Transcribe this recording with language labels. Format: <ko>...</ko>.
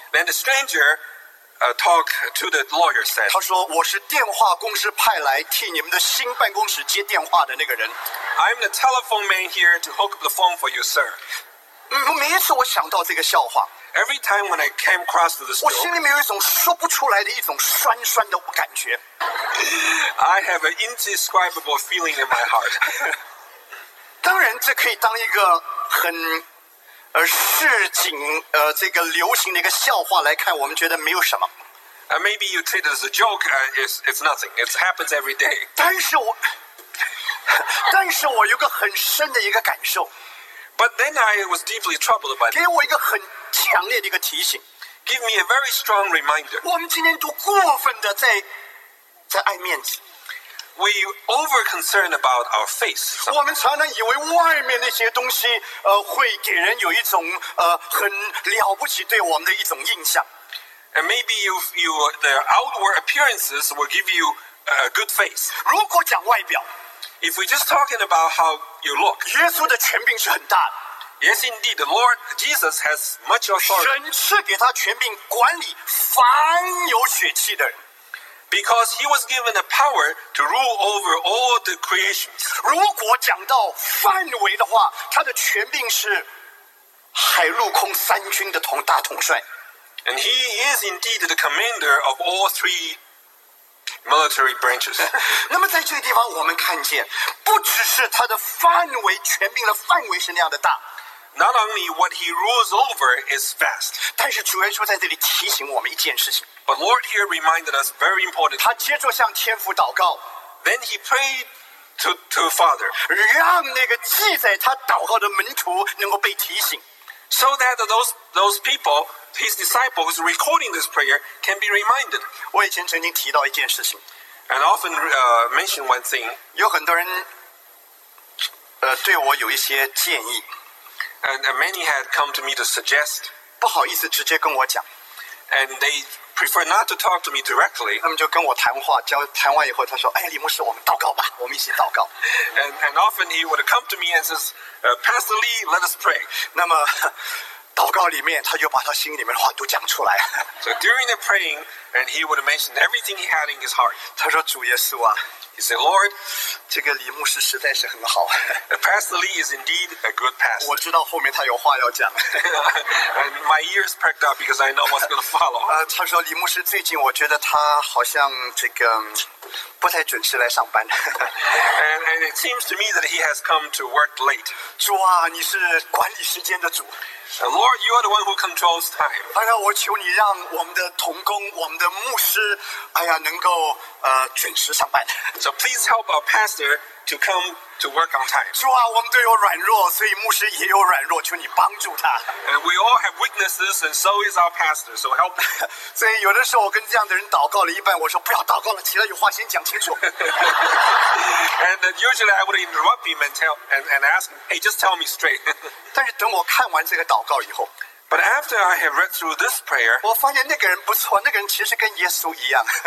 <en>Then the stranger, talked to the lawyer. Said,</en> <zh>他说，我是电话公司派来替你们的新办公室接电话的那个人。</zh> <en>I'm the telephone man here to hook up the phone for you, sir.</en> <zh>每一次我想到这个笑话。</zh> <en>Every time when I came across this joke,</en> <zh>我心里面有一种说不出来的一种酸酸的感觉。</zh> <en>I have an indescribable feeling in my heart.</en> <zh>当然，这可以当一个很市井这个流行的一个笑话来看，我们觉得没有什么。</zh> <en>Maybe you treat it as a joke. It's nothing. It happens every day.</en> <zh>但是我有个很深的一个感受。</zh> <en>But then I was deeply troubled by.</en> <zh>给我一个很强烈的一个提醒</zh> <en>，Give me a very strong reminder.</en> <zh>我们今天都过分的在爱面子。</zh> <en>We over concerned about our face.</en> <zh>我们常常以为外面那些东西会给人有一种很了不起对我们的一种印象。</zh> <en>And maybe the outward appearances will give you a good face.</en> <zh>如果讲外表</zh> <en>，If we just talking about how you look,</en> <zh>耶稣的权柄是很大的。</zh> <en>Yes, indeed, the Lord Jesus has much authority.</en> <zh>神赐给他权柄管理凡有血气的人</zh> <en>because he was given the power to rule over all the creation.</en> <zh>如果讲到范围的话，他的权柄是海陆空三军的大统帅。</zh> <en>And he is indeed the commander of all three military branches.</en> <zh>那么在这个地方，我们看见不只是他的范围，权柄的范围是那样的大。</zh> <en>Not only what he rules over is vast,</en> <zh>但是主耶稣在这里提醒我们一件事情。</zh> <en>But Lord here reminded us very important.</en> <zh>他接着向天父祷告。</zh> <en>Then he prayed to Father,</en> <zh>让那个记载他祷告的门徒能够被提醒。</zh> <en>So that those people, his disciples recording this prayer, can be reminded.</en> <zh>我以前曾经提到一件事情。</zh> <en>And often mention one thing.</en> <zh>有很多人对我有一些建议。</zh> <en>And many had come to me to suggest.</en> <zh>不好意思，直接跟我讲。</zh> <en>And they prefer not to talk to me directly.</en> <zh>他们就跟我谈话，谈完以后，他说：“哎，李牧师，我们祷告吧，我们一起祷告。”</zh> <en>And often he would come to me and says, "Pastor Lee, let us pray."</en> <zh>那么祷告里面，他就把他心里面的话都讲出来。</zh> <en>So during the praying, and he would mention everything he had in his heart.</en> <zh>他说：“主耶稣啊。”</zh> <en>He said, Lord,</en> <zh>这个李牧师实在是很好。</zh> <en>Pastor Lee is indeed a good pastor.</en> <zh>我知道后面他有话要讲。</zh> <en>And my ears pricked up because I know what's going to follow.</en> <zh>他说李牧师最近我觉得他好像这个不太准时来上班。</zh> <en>And it seems to me that he has come to work late.</en> <zh>主啊，你是管理时间的主。</zh> <en>Lord, you are the one who controls time.</en> <zh>哎呀，我求你让我们的同工，我们的牧师，哎呀，能够准时上班。</zh> <en>So please help our pastor to come to work on time.</en> <zh>主啊，我们都有软弱，所以牧师也有软弱，求你帮助他。</zh> <en>And we all have weaknesses, and so is our pastor. So help.</en> <zh>所以有的时候我跟这样的人祷告了一半，我说不要祷告了，起来有话先讲清楚。</zh> <en>And usually I would interrupt him and tell and ask, hey, just tell me straight.</en> <zh>但是等我看完这个祷告以后。</zh> <en>But after I have read through this prayer,</en> <zh>我发现那个人不错，那个人其实跟耶稣一样。</zh>